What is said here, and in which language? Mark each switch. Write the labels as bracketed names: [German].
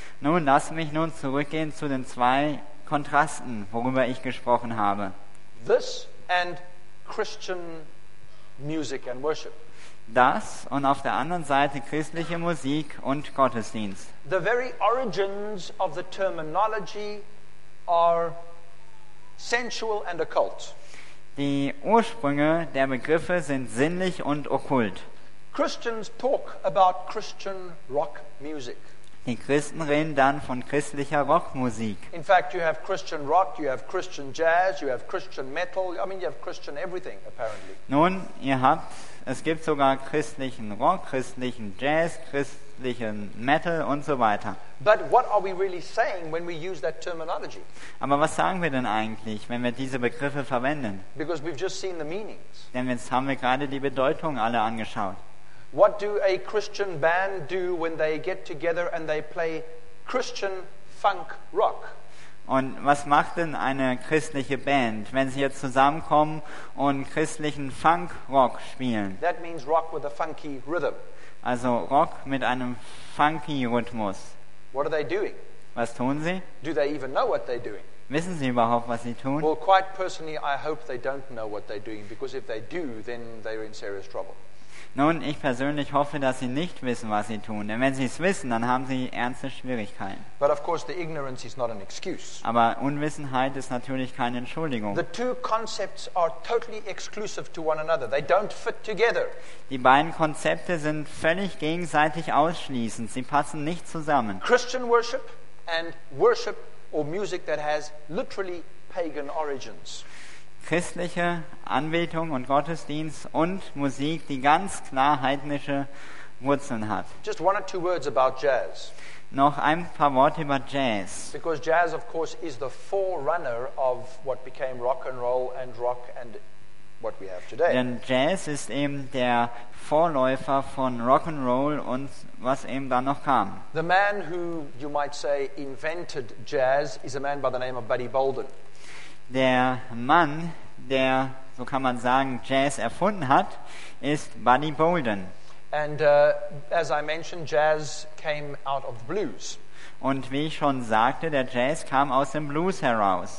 [German] Nun, lass mich nun zurückgehen zu den zwei Kontrasten, worüber ich gesprochen habe. [English] This and Christian music and worship. [German] Das und auf der anderen Seite christliche Musik und Gottesdienst. [English] The very origins of the terminology are sensual and occult. [German] Die Ursprünge der Begriffe sind sinnlich und okkult. [English] Christians talk about Christian rock music. [German] Die Christen reden dann von christlicher Rockmusik. [English] In fact, you have Christian rock, you have Christian jazz, you have Christian metal. I mean, you have Christian everything apparently. [German] Nun, ihr habt, es gibt sogar christlichen Rock, christlichen Jazz, christlichen Metal und so weiter. [English] But what are we really saying when we use that terminology? [German] Aber was sagen wir denn eigentlich, wenn wir diese Begriffe verwenden? [English] Because we've just seen the meanings. [German] Denn jetzt haben wir gerade die Bedeutung alle angeschaut. [English] What do a Christian band do when they get together and they play Christian funk rock? [German] Und was macht denn eine christliche Band, wenn sie jetzt zusammenkommen und christlichen Funk Rock spielen? [English] That means rock with a funky rhythm. [German] Also Rock mit einem funky Rhythmus. [English] What are they doing? [German] Was tun sie? [English] Do they even know what they're doing? [German] Wissen sie überhaupt, was sie tun? [English] Well, quite personally, I hope they don't know what they're doing, because if they do, then they're in serious trouble. [German] Nun, ich persönlich hoffe, dass sie nicht wissen, was sie tun. Denn wenn sie es wissen, dann haben sie ernste Schwierigkeiten. [English] But of course the ignorance is not an excuse. [German] Aber Unwissenheit ist natürlich keine Entschuldigung. [English] The two concepts are totally exclusive to one another. They don't fit together. [German] Die beiden Konzepte sind völlig gegenseitig ausschließend. Sie passen nicht zusammen. [English] Christian worship and worship or music that has literally pagan origins. [German] Christliche Anbetung und Gottesdienst und Musik, die ganz klar heidnische Wurzeln hat. [English] Just one or two words about jazz. [German] Noch ein paar Worte über Jazz. [English] Because jazz, of course, is the forerunner of what became rock and roll and rock and what we have today. [German] Denn Jazz ist eben der Vorläufer von Rock and Roll und was eben dann noch kam. [English] The man who you might say invented jazz is a man by the name of Buddy Bolden. [German] Der Mann, der, so kann man sagen, Jazz erfunden hat, ist Buddy Bolden. [English] And as I mentioned, jazz came out of the blues. [German] Und wie ich schon sagte, der Jazz kam aus dem Blues heraus.